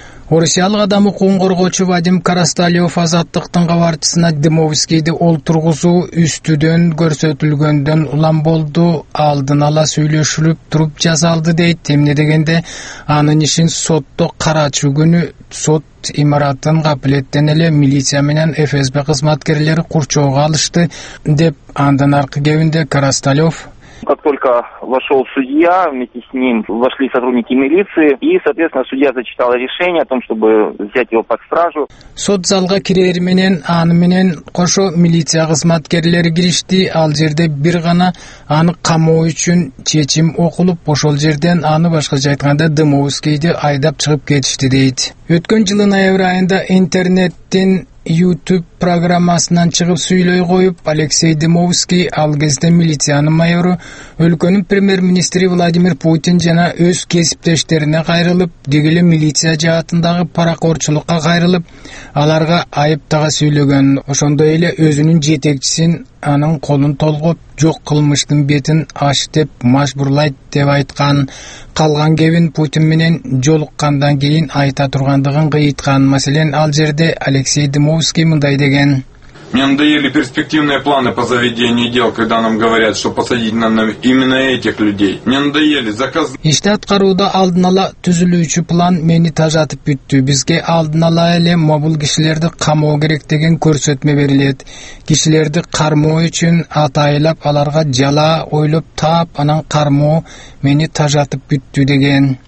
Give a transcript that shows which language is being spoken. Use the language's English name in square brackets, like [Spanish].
[Kyrgyz] Орусиялык адамы кун коргоочу Вадим Карасталев азаттыктын кабарчысына Дмовскийди олтургузуу үстүдөн көрсөтүлгөндөн улам болду, алдын ала сүйлөшүлүп туруп жазалды дейт. Эмне дегенде анын ишин сотто караачу күнү сот имаратын капилеттен эле милиция менен ФСБ кызматкерлери курчоого алышты деп андан аркы кебинде Карасталев. [Russian] Как только вошел судья, вместе с ним вошли сотрудники милиции, и, соответственно, судья зачитал решение о том, чтобы взять его под стражу. [Kyrgyz] Сот залга кирер менен, аны менен кошо милиция кызматкерлери киришти. Ал жерде бир гана аны камоо үчүн чечим окулуп, ошол жерден аны башкача айтканда Дмовскийди айдап чыгып кетишти дейт. Өткөн жылы ноябрь айында интернеттин YouTube программасынан чыгып сүйлөй коюп, Алексей Дмовский, ал кезде милициянын майору, өлкөнүн премьер-министри Владимир Путин жана өз кесиптештерине кайрылып, деги эле милиция жаатындагы паракорчулукка кайрылып, аларга айып тага сүйлөгөн. Ошондой эле өзүнүн жетекчисин анын колун толгоп, жок кылмыштын бетин ач деп мажбурлайт деп айткан. Калган кебин Путин менен жолуккандан кийин айта тургандыгын кыйыткан. Маселен, ал жерде Алексей Дмовский мындай деген: [Russian] мне надоели перспективные планы по заведению дел, когда нам говорят, что посадить надо именно этих людей. Мне надоели заказы. [Kyrgyz] Иште аткарууда алдын ала түзүлүүчү план мени тажатып бүттү. Бизге алдын ала эле мобул кишилерди камоо керек деген көрсөтмө берилет. Кишилерди кармоо үчүн атайылап аларга жала ойлоп таап, анан кармоо мени тажатып бүттү деген.